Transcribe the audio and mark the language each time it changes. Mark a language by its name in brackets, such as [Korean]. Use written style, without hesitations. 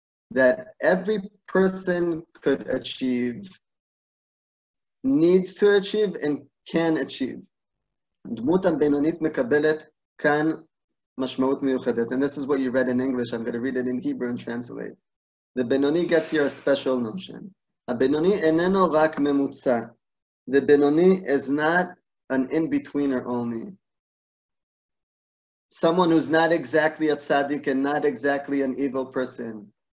[English] that every person could achieve, needs to achieve, and can achieve. [Hebrew] דמות הבינונית מקבלת כאן משמעות מיוחדת. [English] And this is what you read in English. I'm going to read it in Hebrew and translate. The benoni gets here a special notion. [Hebrew] הבינוני איננו רק ממוצע. [English] The benoni is not an in-betweener only. Someone who's not exactly a tzaddik and not exactly an evil person.